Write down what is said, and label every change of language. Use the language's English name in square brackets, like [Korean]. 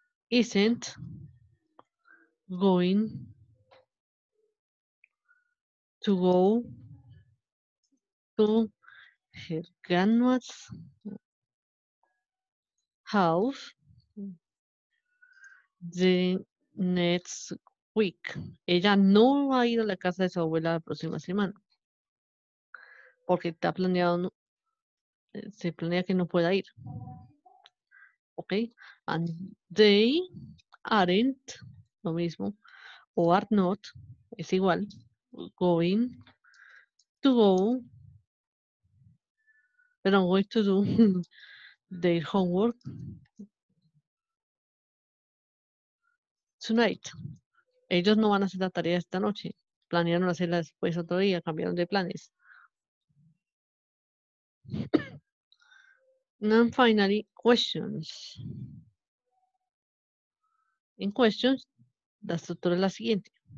[English] Isn't going to go to her grandma's house the next week. [Spanish] Ella no va a ir a la casa de su abuela la próxima semana. Porque está planeado, se planea que no pueda ir. Ok. [English] And they aren't, [Spanish] lo mismo, [English] o are not, [Spanish] es igual, [English] going to go, pero I'm going to do their homework tonight. [Spanish] Ellos no van a hacer la tarea esta noche. Planearon hacerla después otro día, cambiaron de planes. [English] And finally, questions. In questions, [Spanish] la estructura es la siguiente.